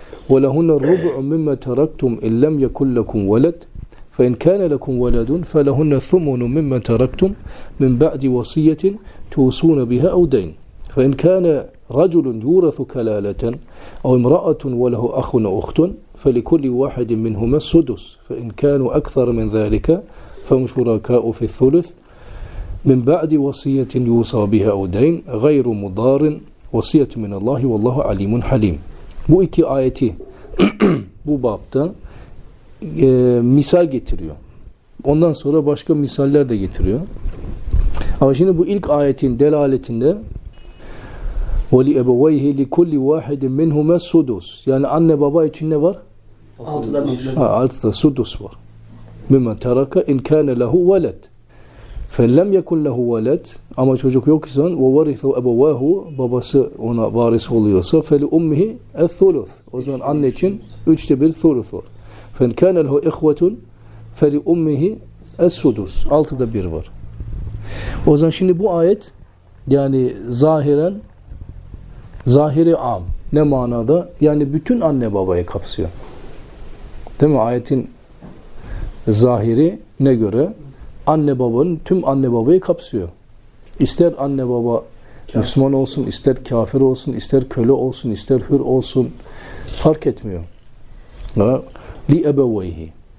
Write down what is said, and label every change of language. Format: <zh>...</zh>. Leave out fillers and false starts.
<ar>ولهن الربع مما تركتم إن لم يكن لكم ولد فإن كان لكم ولد فلهن الثمن مما تركتم من بعد وصية توصون بها أو دين فإن كان رجل يورث كلالة أو امرأة وله أخ أخت فلكل واحد منهما السدس فإن كانوا أكثر من ذلك فهم شركاء في الثلث من بعد وصية يوصى بها أو دين غير مضار وصية من الله والله عليم حليم.</ar> <tr>Bu iki ayeti bu babta misal getiriyor. Ondan sonra başka misaller de getiriyor. Ama şimdi bu ilk ayetin delaletinde</tr> <ar>وَلِأَبَوَيْهِ لِكُلِّ وَاحِدٍ مِّنْهُمَا السُّدُسُ.</ar> <tr>Yani anne baba için ne var? Altıda</tr> <ar>sudus var. مِمَّا تَرَكَ اِنْ كَانَ لَهُ وَلَدٌ فَلَمْ يَكُنْ لَهُ وَلَدٌ.</ar> <tr>Ama çocuk yok ise,</tr> <ar>وَوَرِثُ أَبَوَاهُ,</ar> <tr>babası ona varis oluyorsa,</tr> <ar>فَلِأُمِّهِ الثُّلُثُ,</ar> <tr>o zaman anne için üçte bir thuluth var.</tr> <ar>فَنْ كَانَ لَهُ اِخْوَةٌ فَلِأُمِّهِ السُّدُسُ,</ar> <tr>altıda bir var. O zaman şimdi bu ayet, yani zahiren, zahiri am, ne manada? Yani bütün anne babayı kapsıyor. Değil mi? Ayetin zahiri ne göre? Anne babanın, tüm anne babayı kapsıyor. İster anne baba Müslüman olsun, ister kafir olsun, ister köle olsun, ister hür olsun, fark etmiyor.</tr> <ar>Li ebeveyhi.</ar>